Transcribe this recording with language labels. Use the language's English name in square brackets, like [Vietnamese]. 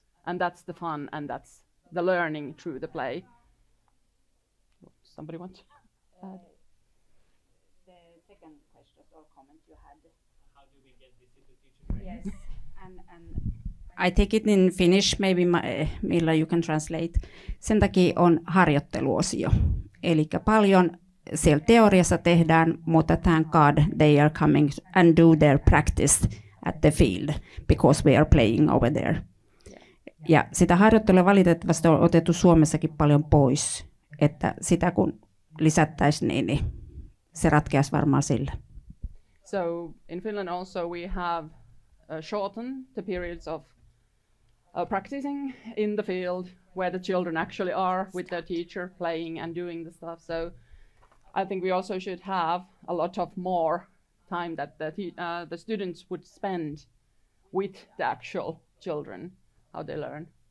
[English] And that's the fun, and that's the learning through the play. Somebody want to add? The second question or comment you had. How do we get this into teacher training? Yes, and I take it in Finnish, maybe Milla, you can translate. [Finnish] Sen takia on harjoitteluosio. Eli paljon siellä teoriassa tehdään, mutta [English] thank God they are coming and do their practice at the field because we are playing over there. [Finnish] Ja sitä harjoittelua valitettavasti on otettu Suomessakin paljon pois, että sitä kun lisättäisiin, niin se ratkeaisi varmaan sille. [English] So in Finland also we have shortened the periods of practicing in the field where the children actually are with their teacher playing and doing the stuff. So I think we also should have a lot of more time that the students would spend with the actual children, how they learn.